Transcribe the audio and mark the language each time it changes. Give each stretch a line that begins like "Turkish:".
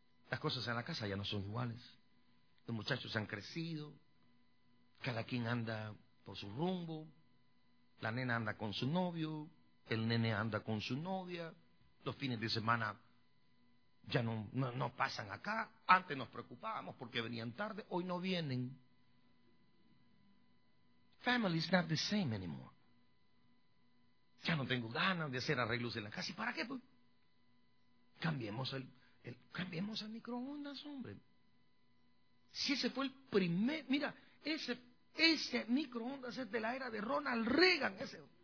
Spanish: Las cosas en la casa ya no son iguales. Los muchachos han crecido, cada quien anda por su rumbo, la nena anda con su novio, el nene anda con su novia, los fines de semana ya no pasan acá, antes nos preocupábamos porque venían tarde, hoy no vienen.
English: Family is not the same anymore.
Spanish: Ya no tengo ganas de hacer arreglos en la casa, ¿y para qué? Pues, cambiemos el microondas, hombre. Si ese fue el primer... Mira, ese microondas es de la era de Ronald Reagan. Ese.